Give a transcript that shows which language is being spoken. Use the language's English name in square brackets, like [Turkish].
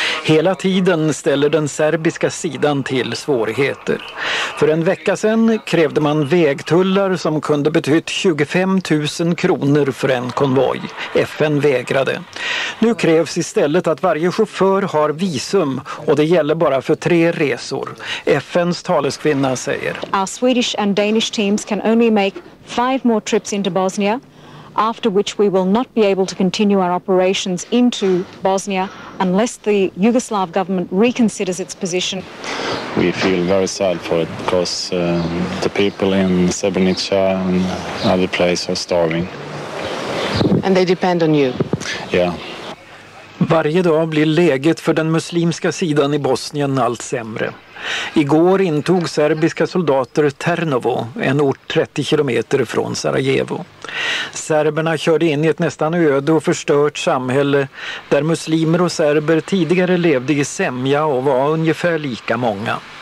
[Swedish] Hela tiden ställer den serbiska sidan till svårigheter. För en vecka sedan krävde man vägtullar som kunde betyda 25 000 kronor för en konvoj. FN-vägrade. Nu krävs istället att varje chaufför har visum och det gäller bara för 3 resor. FN:s taleskvinna säger: [English] "Our Swedish and Danish teams can only make 5 more trips into Bosnia, after which we will not be able to continue our operations into Bosnia unless the Yugoslav government reconsiders its position." We feel very sad for it because the people in Srebrenica and other places are starving. And they depend on you. Yeah. [Swedish] Varje dag blir läget för den muslimska sidan i Bosnien allt sämre. Igår intog serbiska soldater Ternovo, en ort 30 kilometer från Sarajevo. Serberna körde in i ett nästan öde och förstört samhälle där muslimer och serber tidigare levde i sämja och var ungefär lika många.